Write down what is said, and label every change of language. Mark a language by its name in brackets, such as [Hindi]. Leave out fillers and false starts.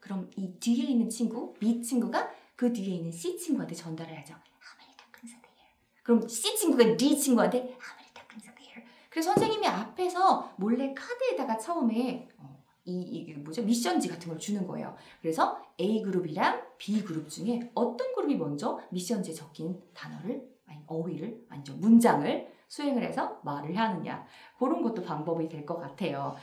[Korean] 그럼 이 뒤에 있는 친구, B 친구가 그 뒤에 있는 C 친구한테 전달을 하죠. [English] How many ducklings are there? [Korean] 그럼 C 친구가 D 친구한테 [English] How many ducklings are there? [Korean] 그래서 선생님이 앞에서 몰래 카드에다가 처음에 미션지 같은 걸 주는 거예요. 그래서 A 그룹이랑 B 그룹 중에 어떤 그룹이 먼저 미션지에 적힌 단어를, 아니 어휘를, 아니죠 문장을 수행을 해서 말을 하느냐 그런 것도 방법이 될 것 같아요.